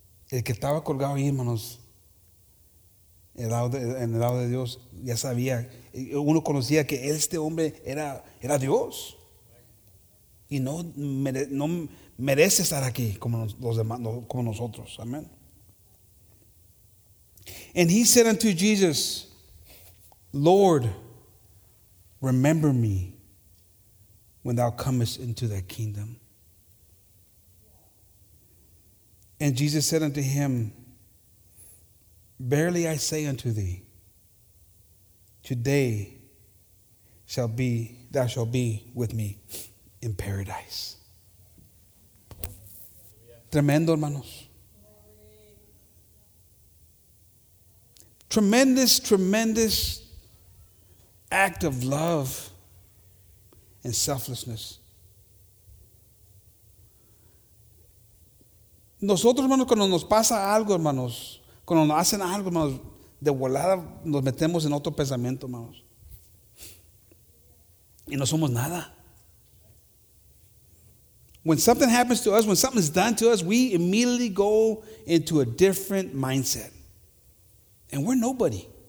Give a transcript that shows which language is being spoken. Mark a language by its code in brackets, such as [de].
[es] El que estaba colgado ahí, hermanos, en el lado de Dios, ya sabía, uno conocía que este hombre era Dios. Y no merece estar aquí como los demás, como nosotros. Amén. [en] And he said unto Jesus, Lord, remember me when thou comest into thy kingdom. And Jesus said unto him, verily I say unto thee, today thou shalt be with me in paradise. [es] Tremendo, hermanos. [en] Tremendous, tremendous act of love and selflessness. [es] Nosotros, hermanos, cuando nos pasa algo, hermanos, cuando nos hacen algo, hermanos, de volada nos metemos en otro pensamiento, hermanos. Y no somos nada. [en] When something happens to us, when something is done to us, we immediately go into a different mindset. And we're nobody.